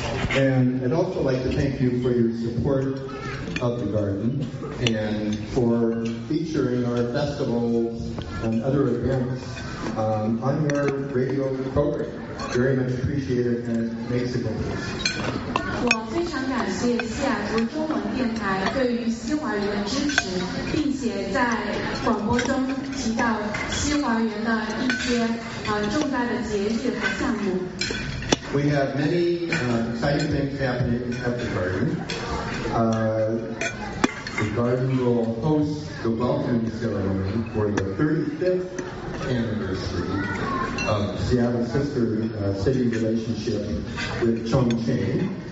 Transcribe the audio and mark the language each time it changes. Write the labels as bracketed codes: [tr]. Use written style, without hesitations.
[en] And I'd also like to thank you for your support of the garden and for featuring our festivals and other events on your radio program. Very much appreciated and it makes a difference. [zh] 我非常感谢西雅图中文电台对于西华园的支持，并且在广播中提到西华园的一些重大的节日和项目。 [en] We have many exciting things happening at the garden. The garden will host the welcome ceremony for the 35th anniversary of Seattle sister city relationship with Chongqing.